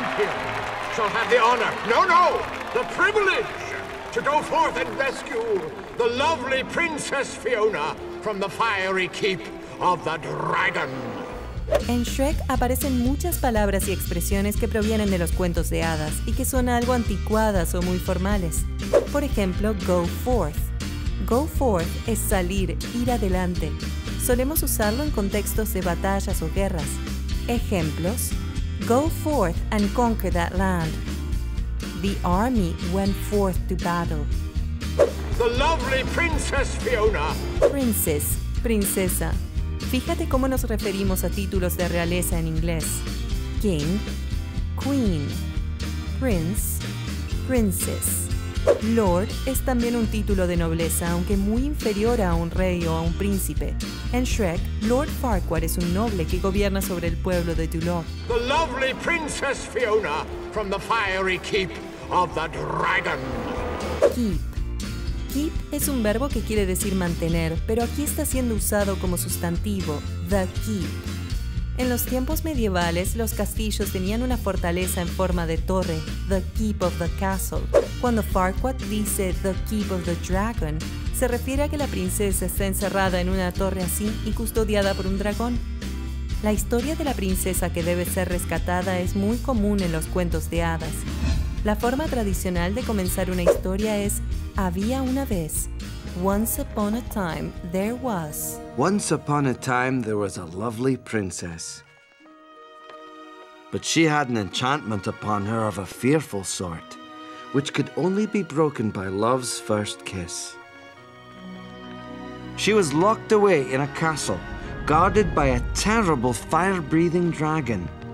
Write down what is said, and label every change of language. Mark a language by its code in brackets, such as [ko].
[en] The honor, the privilege to go forth and rescue the lovely Princess Fiona from the fiery keep of the dragon. [es] En Shrek aparecen muchas palabras y expresiones que provienen de los cuentos de hadas y que son algo anticuadas o muy formales. Por ejemplo, go forth. Go forth es salir, ir adelante. Solemos usarlo en contextos de batallas o guerras. [en] Ejemplos: go forth and conquer that land. The army went forth to battle. The lovely Princess Fiona. [es] Princess, princesa. Fíjate cómo nos referimos a títulos de realeza en inglés. King, queen. Prince, princess. Lord es también un título de nobleza, aunque muy inferior a un rey o a un príncipe. En Shrek, Lord Farquaad es un noble que gobierna sobre el pueblo de Duloc. [en] The lovely Princess Fiona from the fiery keep of the dragon. [es] Keep. Keep es un verbo que quiere decir mantener, pero aquí está siendo usado como sustantivo, the keep. En los tiempos medievales, los castillos tenían una fortaleza en forma de torre, [en] the keep of the castle. [es] Cuando Farquaad dice [en] the keep of the dragon, [es] se refiere a que la princesa está encerrada en una torre así y custodiada por un dragón. La historia de la princesa que debe ser rescatada es muy común en los cuentos de hadas. La forma tradicional de comenzar una historia es había una vez. [en] Once upon a time, there was. Once upon a time, there was a lovely princess. But she had an enchantment upon her of a fearful sort, which could only be broken by love's first kiss. She was locked away in a castle, guarded by a terrible fire-breathing dragon.